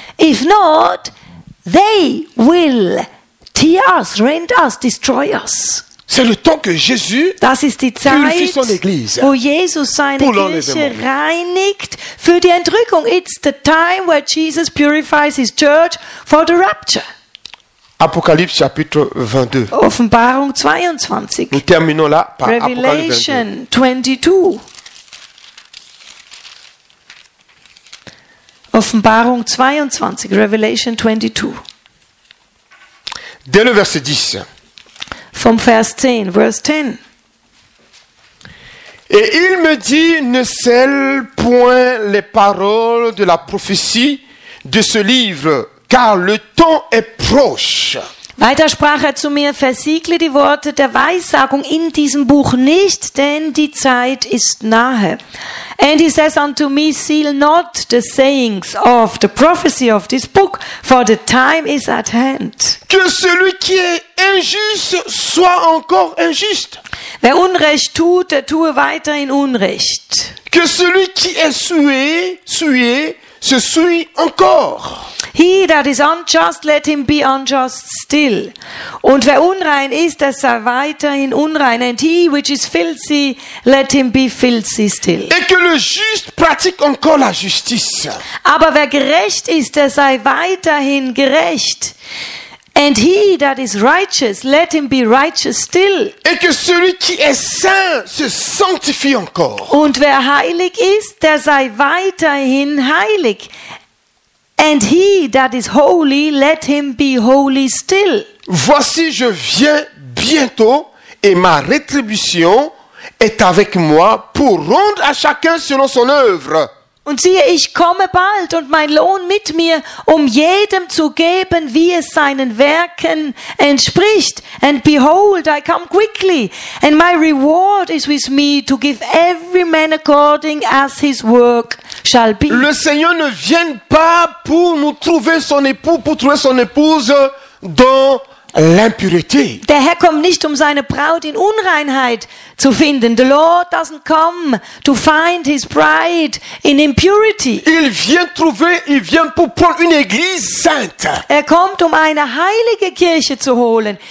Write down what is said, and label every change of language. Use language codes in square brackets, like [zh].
[en] If not, they will tear us, rend us, destroy us. [fr] C'est le temps que Jésus purifie son Église. [de] Wo Jesus seine Kirche reinigt für die Entrückung. [en] It's the time where Jesus purifies his church for the rapture. [fr] Apocalypse chapitre 22. [de] Offenbarung 22. [fr] Nous terminons là par [en] Revelation [fr] Apocalypse 22. 22. [de] Offenbarung 22. Revelation 22. [fr] Dès le verset 10. [en] From verse 10, verse 10. [fr] Et il me dit, ne scelle point les paroles de la prophétie de ce livre, car le temps est proche. [de] Weiter sprach er zu mir, versiegle die Worte der Weissagung in diesem Buch nicht, denn die Zeit ist nahe. [en] And he says unto me, seal not the sayings of the prophecy of this book, for the time is at hand. [fr] Que celui qui est injuste soit encore injuste. [de] Wer Unrecht tut, der tue weiterhin Unrecht. [fr] Que celui qui est sué, sué, se souille encore. [en] He that is unjust, let him be unjust still. [de] Und wer unrein ist, der sei weiterhin unrein. [en] And he which is filthy, let him be filthy still. [fr] Et que le juste pratique encore la justice. [de] Aber wer gerecht ist, der sei weiterhin gerecht. [en] And he that is righteous, let him be righteous still. [fr] Et que celui qui est saint se sanctifie encore. [de] Und wer heilig ist, der sei weiterhin heilig. [en] And he that is holy, let him be holy still. [fr] Voici, je viens bientôt, et ma rétribution est avec moi pour rendre à chacun selon son œuvre. [de] Und siehe, ich komme bald und mein Lohn mit mir, um jedem zu geben, wie es seinen Werken entspricht. [en] And behold, I come quickly, and my reward is with me to give every man according as his work shall be. [fr] Le Seigneur ne vient pas pour nous trouver son époux, pour trouver son épouse dans l'impureté. [de] Der Herr kommt nicht, um seine Braut in Unreinheit zu finden. [en] The Lord doesn't come to find his bride in impurity. [fr] Il vient trouver, il vient pour prendre une église sainte. [de] Er kommt, um eine heilige Kirche zu holen.